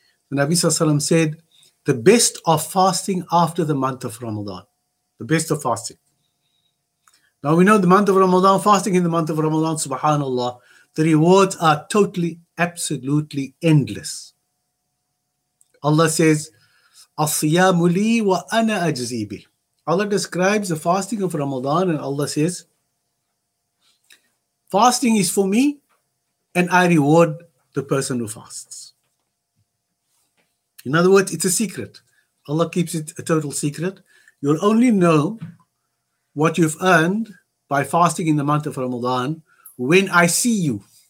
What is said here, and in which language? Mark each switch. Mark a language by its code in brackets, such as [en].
[en] The Nabi Sallallahu Alaihi Wasallam said, the best of fasting after the month of Ramadan. The best of fasting. Now we know the month of Ramadan, fasting in the month of Ramadan, subhanAllah, the rewards are totally, absolutely endless. [ar] Allah says, أَصِّيَامُ لِي وَأَنَا أَجْزِيبِ. [en] Allah describes the fasting of Ramadan and Allah says, fasting is for me and I reward the person who fasts. In other words, it's a secret. Allah keeps it a total secret. You'll only know what you've earned by fasting in the month of Ramadan when I see you.